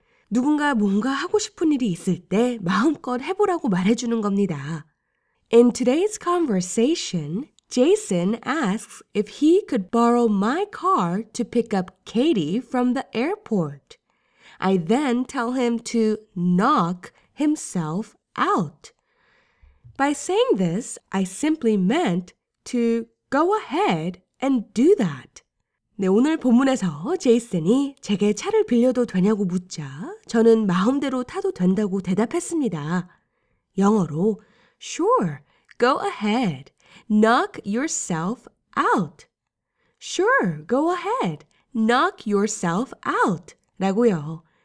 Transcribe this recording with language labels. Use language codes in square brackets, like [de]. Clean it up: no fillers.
[ko] 누군가 뭔가 하고 싶은 일이 있을 때 마음껏 해보라고 말해주는 겁니다. [en] In today's conversation, Jason asks if he could borrow my car to pick up Katie from the airport. I then tell him to knock himself out. By saying this, I simply meant to go ahead and do that. [ko] 네, 오늘 본문에서 제이슨이 제게 차를 빌려도 되냐고 묻자 저는 마음대로 타도 된다고 대답했습니다. [en] 영어로 Sure, go ahead. Knock yourself out. Sure, go ahead. Knock yourself out. 라고요.